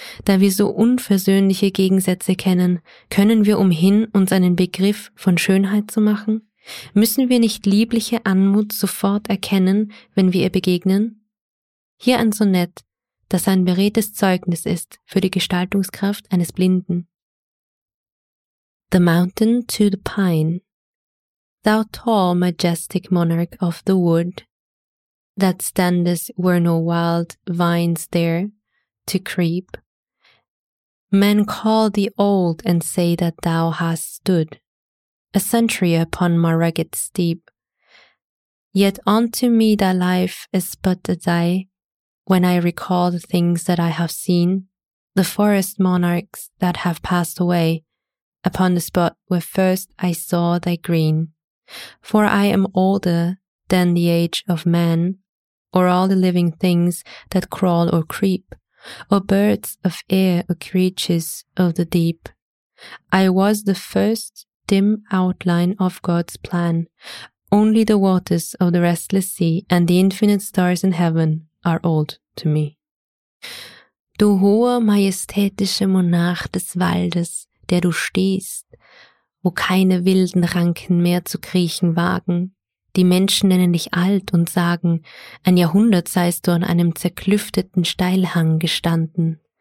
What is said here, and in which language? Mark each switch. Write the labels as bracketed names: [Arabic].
[German] Da wir so unversöhnliche Gegensätze kennen, können wir umhin, uns einen Begriff von Schönheit zu machen? Müssen wir nicht liebliche Anmut sofort erkennen, wenn wir ihr begegnen? Hier ein Sonett, das ein beredtes Zeugnis ist für die Gestaltungskraft eines Blinden. [English] The Mountain to the Pine. Thou tall, majestic monarch of the wood, that standest where no wild vines dare to creep. Men call thee old and say that thou hast stood a century upon my rugged steep. Yet unto me thy life is but a day, when I recall the things that I have seen, the forest monarchs that have passed away, upon the spot where first I saw thy green. For I am older than the age of man, or all the living things that crawl or creep, or birds of air or creatures of the deep. I was the first dim outline of God's plan. Only the waters of the restless sea and the infinite stars in heaven are old to me. [German] Du hoher, majestätischer Monarch des Waldes, der du stehst, wo keine wilden Ranken mehr zu kriechen wagen. Die Menschen nennen dich alt und sagen, ein Jahrhundert seist du an einem zerklüfteten Steilhang gestanden.